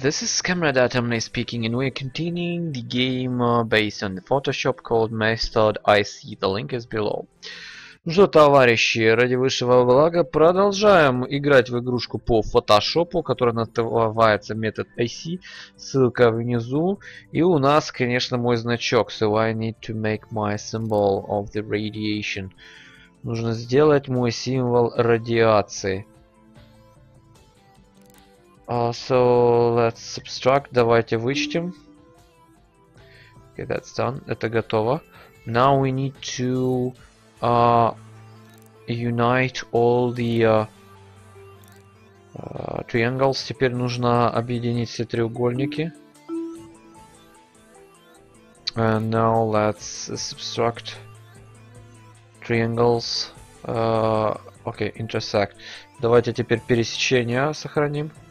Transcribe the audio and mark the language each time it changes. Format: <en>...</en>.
<en>This is Comrade Atomly speaking, and we're continuing the game based on the Photoshop called Method IC. The link is below.</en> <ru>Ну что, товарищи, ради высшего блага продолжаем играть в игрушку по Photoshop, которая называется Method IC. Ссылка внизу. И у нас, конечно, мой значок.</ru> <en>So I need to make my symbol of the radiation.</en> <ru>Нужно сделать мой символ радиации.</ru> <en>So let's subtract,</en> <ru>давайте вычтем.</ru> <en>Okay, that's done.</en> <ru>Это готово.</ru> <en>Now we need to unite all the triangles.</en> <ru>Теперь нужно объединить все треугольники.</ru> <en>And now let's subtract triangles. Okay, intersect.</en> <ru>Давайте теперь пересечение сохраним.</ru>